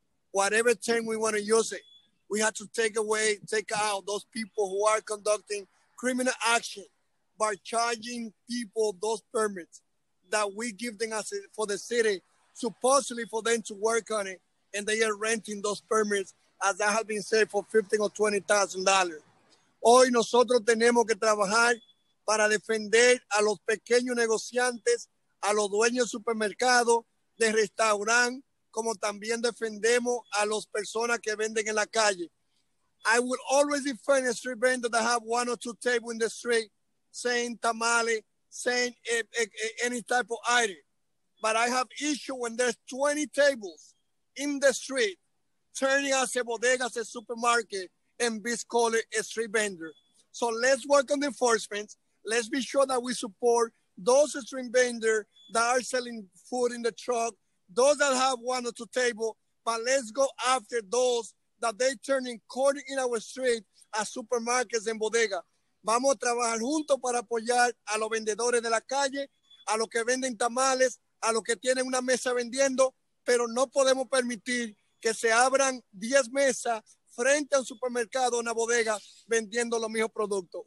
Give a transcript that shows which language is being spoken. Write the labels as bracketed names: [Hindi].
[English] Whatever term we want to use it, we have to take out those people who are conducting criminal action by charging people those permits that we give them as for the city, supposedly for them to work on it. And they are renting those permits, as I have been saying, for $15,000 or $20,000. [Spanish] Hoy nosotros tenemos que trabajar para defender a los pequeños negociantes, a los dueños de supermercados, de restaurant, como también defendemos a las personas que venden en la calle. [English] I will always defend a street vendor that have one or two tables in the street, saying tamale, saying any type of item. But I have issue when there's 20 tables in the street, turning as a bodega, as a supermarket, and be called a street vendor. So let's work on the enforcement. Let's be sure that we support those street vendors that are selling food in the truck, those that have one or two tables, but let's go after those that they turn in court in our street as supermarkets and bodega. [Spanish] Vamos a trabajar juntos para apoyar a los vendedores de la calle, a los que venden tamales, a los que tienen una mesa vendiendo, pero no podemos permitir que se abran 10 mesas frente al supermercado, una bodega, vendiendo los mismos productos.